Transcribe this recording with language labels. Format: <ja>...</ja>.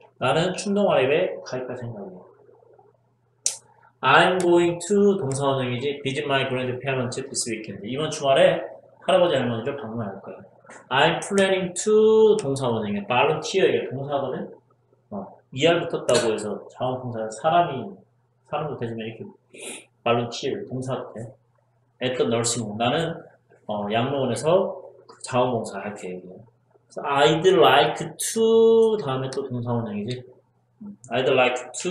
<ko>나는 춤동아리에 가입할 생각이야.</ko> <en>I'm going to</en> <ko>동사원형이지.</ko> <en>Visit my grandparents this weekend.</en> <ko>이번 주말에 할아버지 할머니를 방문할 거야.</ko> <en>I'm planning to</en> <ko>동사원형이야. Volunteer 이게 동사거든. ER 붙었다고 해서 자원봉사 사람도 되지만 이렇게 Volunteer 동사도 돼.</ko> <en>At the nursing home.</en> <ko>나는 양로원에서 자원봉사 할 계획이야.</ko> <en>So I'd like to 다음에 또 동사원형이지. I'd like to buy a backpack and pencil case.</en> <ko>나는 배낭과 필통을 사고 싶어.</ko>